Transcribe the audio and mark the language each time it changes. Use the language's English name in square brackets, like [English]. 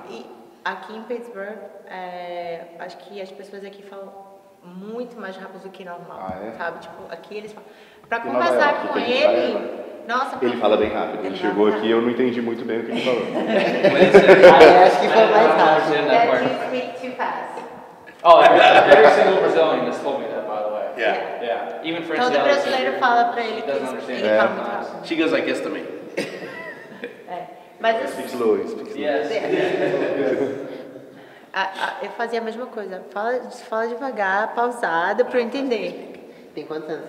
[Portuguese] E aqui em Pittsburgh, acho que as pessoas aqui falam muito mais rápido do que normal. Ah, é? Sabe? Tipo, aqui eles falam... Pra e conversar com ele... Vai, nossa, ele fala bem rápido. Ele chegou aqui e eu não entendi muito bem o que ele falou. Acho que foi mais rápido. [English] That you speak too fast. Oh, every single Brazilian has told me that, by the way. Yeah. Yeah. Even French. [Portuguese] Todo brasileiro fala pra ele que ele fala muito rápido. [English] She goes like this to me. [Portuguese] Mas [English] speak slow. Yes. [Portuguese] Eu fazia a mesma coisa. Fala devagar, pausada, pra eu entender. Tem quantos anos